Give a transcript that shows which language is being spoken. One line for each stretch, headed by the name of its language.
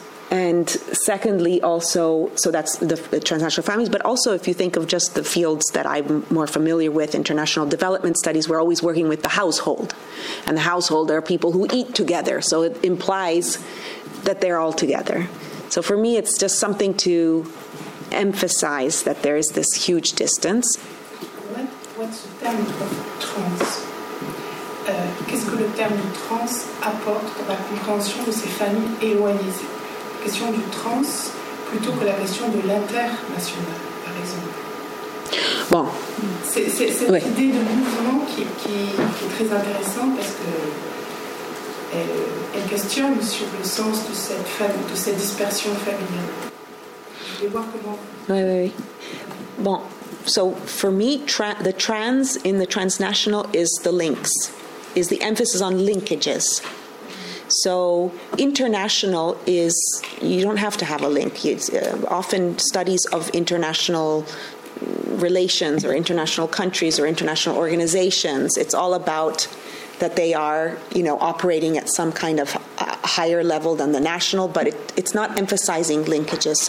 English: And secondly, also, so that's the transnational families, but also if you think of just the fields that I'm more familiar with, international development studies, we're always working with the household. And the household are people who eat together, so it implies that they're all together. So for me, it's just something to emphasize that there is this huge distance. What's the term of trans?
French: Qu'est-ce que le terme de trans apporte pour la compréhension de ces familles éloignées? Question du trans plutôt que la question de l'international, par exemple. Bon. C'est oui. Idée de mouvement qui est très intéressante parce que elle questionne sur le sens de cette dispersion familiale. Je vais voir comment. Oui. Bon.
English: So for me, the trans in the transnational is the links, is the emphasis on linkages. So international is, you don't have to have a link. It's, often studies of international relations or international countries or international organizations, it's all about that they are, you know, operating at some kind of higher level than the national, but it's not emphasizing linkages.